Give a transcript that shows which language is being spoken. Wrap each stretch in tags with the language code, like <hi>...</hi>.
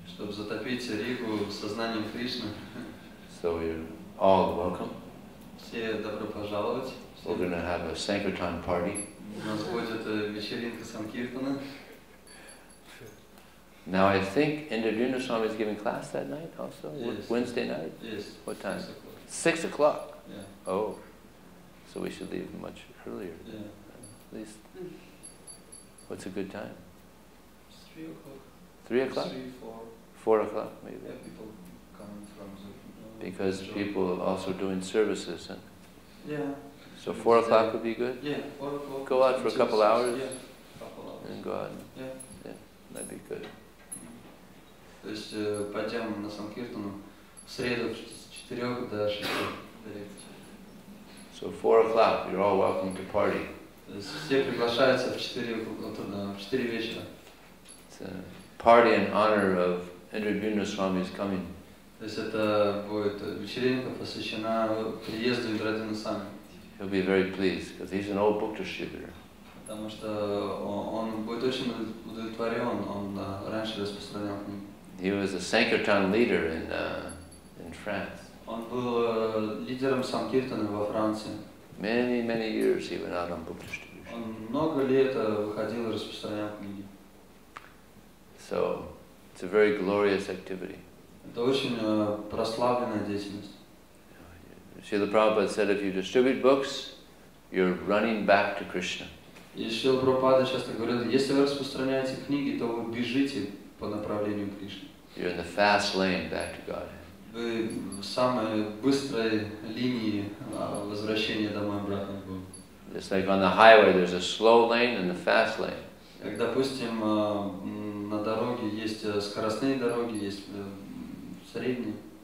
<ru>Чтобы затопить Ригу сознанием Кришны.</ru> <en>So you're all welcome.</en> <ru>Все добро пожаловать.</ru> <en>We're going to have a Sankirtan party.</en> <ru>У нас будет вечеринка Санкиртана.</ru> <en>Now I think Indradyumna Swami is giving class that night also? Yes. Wednesday night? Yes. What time? 6 o'clock. 6 o'clock? Yeah. Oh. So we should leave much earlier. Yeah. At least. What's a good time? It's 3 o'clock. 3 o'clock? 3, 4. 4 o'clock, maybe. Yeah, people coming from the because people also doing services. And yeah. So 4 o'clock would be good? Yeah, 4 o'clock. Go out for a couple hours? Yeah, couple hours. And go out. And yeah. Yeah, that'd be good.</en> <ru>То есть пойдем на санкиртану в среду с 4 до 6</ru> <en>до. So 4 o'clock, you're all welcome to party.</en> <ru>Все приглашаются в 4 вечера.</ru> <en>It's a party in honor of Indradyumna Swami's coming.</en> <ru>То есть это будет вечеринка посвящена приезду Индрадюмны Свами.</ru> <en>He'll be very pleased because he's an old book distributor.</en> <ru>Потому что он будет очень удовлетворен, он раньше распространял книги.</ru> <en>He was a Sankirtan leader in France.</en> <ru>Он был лидером Санкиртана во Франции.</ru> <en>Many, many years he went out on book distribution.</en> <ru>Он много лет выходил и распространял книги.</ru> <en>So, it's a very glorious activity.</en> <ru>Это очень прославленная деятельность.</ru> <en>Srila Prabhupada said, if you distribute books, you're running back to Krishna.</en> <ru>И Srila Prabhupada часто говорит, если вы распространяете книги, то вы бежите по направлению Кришны.</ru> <en>You're in the fast lane back to God.</en> <ru>Вы в самой быстрой линии возвращения домой обратно к Богу.</ru> <en>Just like on the highway, there's a slow lane and a fast lane.</en> <ru>Как, допустим, на дороге есть скоростные дороги, есть средние.</ru>